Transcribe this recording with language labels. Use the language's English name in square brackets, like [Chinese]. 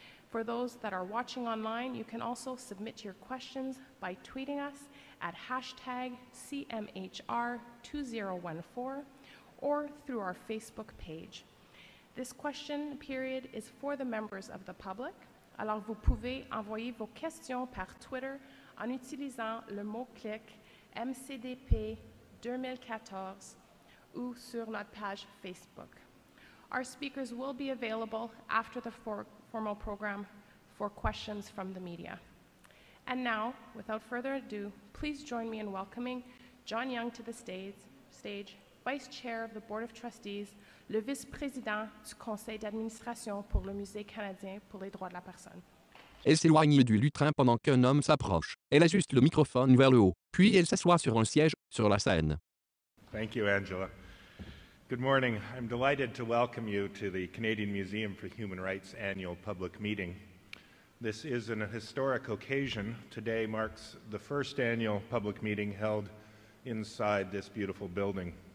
[English] For those that are watching online, you can also submit your questions by tweeting us at #CMHR2014 or through our Facebook page. This question period is for the members of the public. [French] Alors vous pouvez envoyer vos questions par Twitter en utilisant le mot-clé MCDP2014 ou sur notre page Facebook. [English] Our speakers will be available after the formal program for questions from the media. And now, without further ado, please join me in welcoming John Young to the stage, Vice Chair of the Board of Trustees, [French] le Vice-Président du Conseil d'Administration pour le Musée canadien pour les droits de la personne. Elle s'éloigne du lutrin pendant qu'un homme s'approche. Elle ajuste le microphone vers le haut, puis elle s'assoit sur un siège, sur la scène. [English] Thank you, Angela. Good morning. I'm delighted to welcome you to the Canadian Museum for Human Rights annual public meeting. This is an historic occasion. Today marks the first annual public meeting held inside this beautiful building.